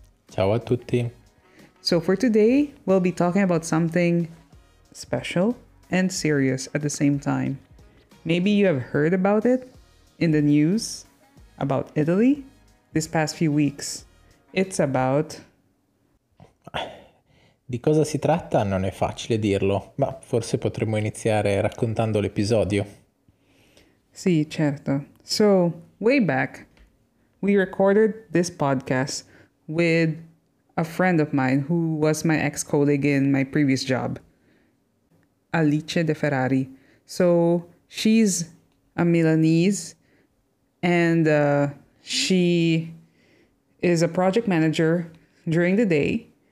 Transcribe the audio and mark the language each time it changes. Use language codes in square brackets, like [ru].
[it] Ciao a tutti. [en] So for today, we'll be talking about something special and serious at the same time. Maybe you have heard about it in the news about Italy this past few weeks. It's about... [it] Di cosa si tratta non è facile dirlo, ma forse potremmo iniziare raccontando l'episodio. Sì, certo. [en] So, way back, we recorded this podcast with a friend of mine who was my ex-colleague in my previous job, Alice De Ferrari. So, she's a Milanese and she is a project manager during the day.